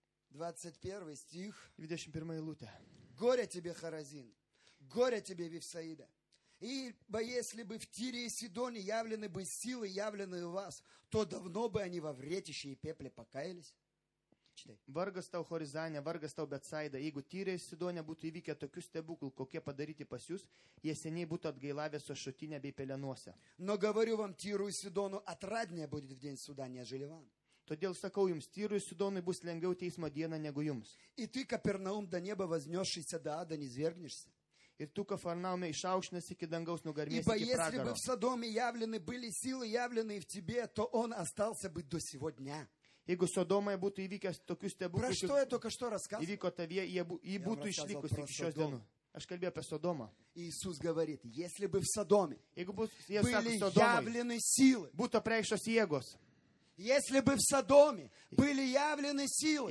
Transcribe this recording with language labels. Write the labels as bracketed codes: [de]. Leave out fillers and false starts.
[ru] 21 стих. [lt] 21 лута. [ru] Горе тебе, Хоразин. Горе тебе, Вифсаида. Ибо если бы в Тире и Сидоне явлены бы силы, явленные у вас, то давно бы они во вретище и пепле покаялись. [lt] Vargas tau Chorizane, vargas tau Betsaida, jeigu Tyre ir Sidone būtų įvykę tokių stebuklų, kokie padaryti pas jūs, jie seniai būtų atgailavę su Šutinė bei Pelenuose. [ru] Но говорю вам, Тиру и Сидону отраднее будет в день суда, нежели вам. [lt] Todėl sakau jums, Tyrui ir Sidonui bus lengviau teismo dieną negu jums. [ru] И ты, Капернаум, до неба вознесшийся, до ада не звергнешься. [lt] Ir tu, Kafarnaume, išaukštinęs iki dangaus, nugarmės iki pragaro. [ru] Ибо если бы в Содоме явлены были силы, явленные в тебе, то он остался бы до сего дня. [lt] Jeigu Sodomoje būtų įvykęs tokius stebuklus, [ru] про что я только что рассказывал? [lt] Įvyko tavie, jį būtų išlikus iki šios dienų. Aš kalbėjau apie Sodomą. [ru] Иисус говорит, если бы в Содоме были явлены силы, [lt] būtų apreikštos jėgos. [ru] Если бы в Содоме были явлены силы,